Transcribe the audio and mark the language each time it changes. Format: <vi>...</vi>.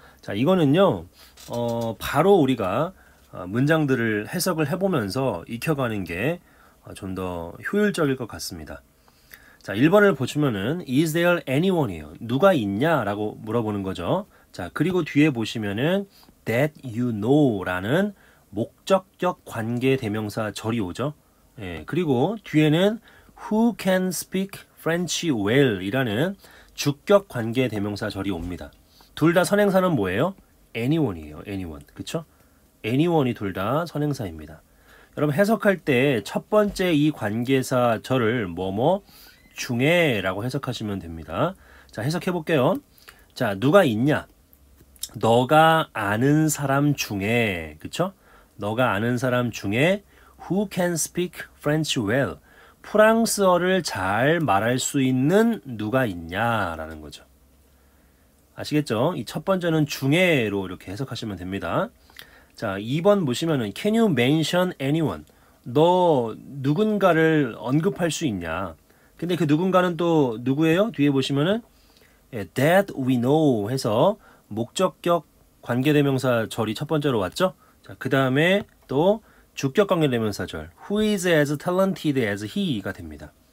<ko>자, 이거는요, 바로 우리가 문장들을 해석을 해보면서 익혀가는 게좀더 효율적일 것 같습니다. 자, 1번을 보시면은,</ko> <en>is there anyone</en> <ko>이에요? 누가 있냐? 라고 물어보는 거죠. 자, 그리고 뒤에 보시면은,</ko> <en>that you know</en> <ko>라는 목적격 관계 대명사 절이 오죠. 예, 그리고 뒤에는,</ko> <en>who can speak French well?</en> <ko>이라는 주격 관계 대명사 절이 옵니다. 둘다 선행사는 뭐예요? Anyone이에요. Anyone. 그쵸? Anyone이 둘다 선행사입니다. 여러분, 해석할 때첫 번째 이 관계사 절을 뭐뭐 중에라고 해석하시면 됩니다. 자, 해석해 볼게요. 자, 누가 있냐? 너가 아는 사람 중에. 그쵸? 너가 아는 사람 중에</ko> <en>who can speak French well?</en> <ko>프랑스어를 잘 말할 수 있는 누가 있냐라는 거죠. 아시겠죠? 이첫 번째는 중에로 이렇게 해석하시면 됩니다.</ko> <en>자, 2번 보시면은 Can you mention anyone?</en> <ko>너 누군가를 언급할 수 있냐? 근데 그 누군가는 또 누구예요? 뒤에 보시면은</ko> <en>That we know</en> <ko>해서 목적격 관계대명사 절이 첫 번째로 왔죠? 자, 그 다음에 또 주격 관계대명사 절</ko> <en>Who is as talented as he</en> <ko>가 됩니다.</ko>